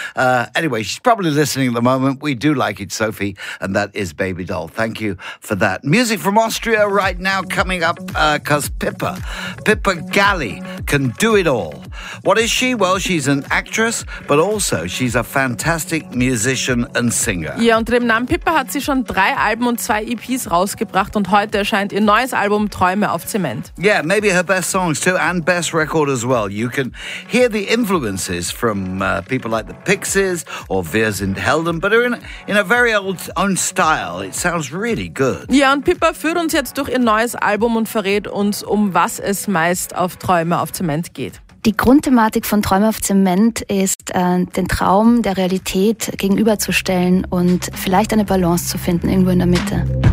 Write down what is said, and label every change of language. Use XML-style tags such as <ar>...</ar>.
<en>Anyway, she's probably listening at the moment. We do like it, Sophie. And that is Baby Doll. Thank you for that. Music from Austria right now coming up because Pippa Galli can do it all. What is she? Well, she's an actress, but also she's a fantastic musician and singer.</en> <de>Ja, unter dem Namen Pippa hat sie schon 3 Alben und 2 EPs rausgebracht und heute erscheint ihr neues Album Träume auf Zement.</de> <en>Yeah, maybe her best songs too and best record as well. You can hear the influences from people like the Pixies or Wir sind Helden, but in a very old own style. It sounds really good.</en> <de>Ja, und Pippa führt uns jetzt durch ihr neues Album und verrät uns, um was es meist auf Träume auf Zement geht. Die Grundthematik von Träume auf Zement ist, den Traum der Realität gegenüberzustellen und vielleicht eine Balance zu finden, irgendwo in der Mitte.</de>